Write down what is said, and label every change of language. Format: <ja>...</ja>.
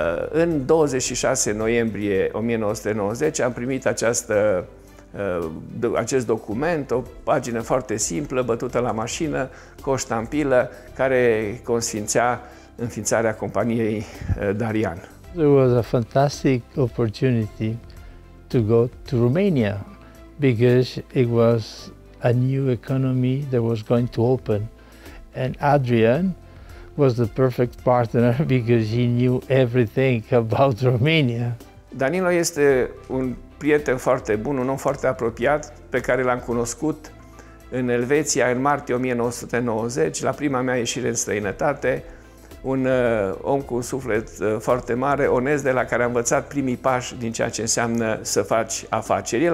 <ro>În 26 noiembrie 1990 am primit acest document, o pagină foarte simplă, bătută la mașină, cu o ștampilă, care consfințea înființarea companiei Darian.</ro> <en>There was a fantastic opportunity to go to Romania because it was a new economy that was going to open. And Adrian was the perfect partner because he knew everything about Romania.</en> <ro>Danilo este un prieten foarte bun, un om foarte apropiat pe care l-am cunoscut în Elveția în martie 1990, la prima mea ieșire în străinătate. Un om cu un suflet foarte mare, onest, de la care am învățat primii pași din ceea ce înseamnă să faci afaceri.</ro>